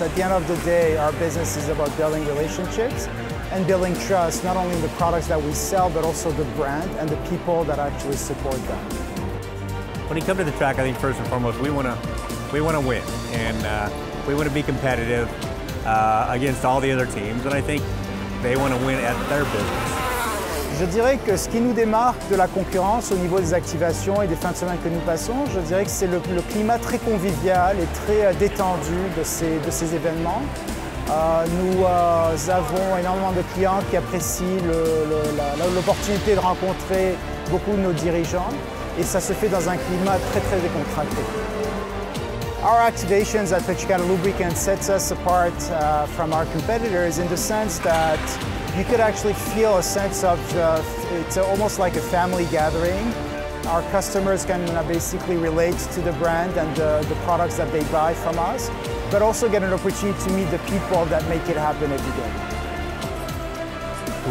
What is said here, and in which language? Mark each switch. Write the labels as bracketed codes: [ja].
[en] At the end of the day, our business is about building relationships and building trust, not only in the products that we sell, but also the brand and the people that actually support them. When you come to the track, I think first and foremost, we want to win, and we want to be competitive against all the other teams, and I think they want to win at their business. [fr] Je dirais que ce qui nous démarque de la concurrence au niveau des activations et des fins de semaine que nous passons, je dirais que c'est le climat très convivial et très détendu de ces événements. Nous avons énormément de clients qui apprécient l'opportunité de rencontrer beaucoup de nos dirigeants, et ça se fait dans un climat très très décontracté. [en] Our activations at Petro-Canada Lubricants sets us apart from our competitors in the sense that you could actually feel a sense of, it's almost like a family gathering. Our customers can basically relate to the brand and the products that they buy from us, but also get an opportunity to meet the people that make it happen every day.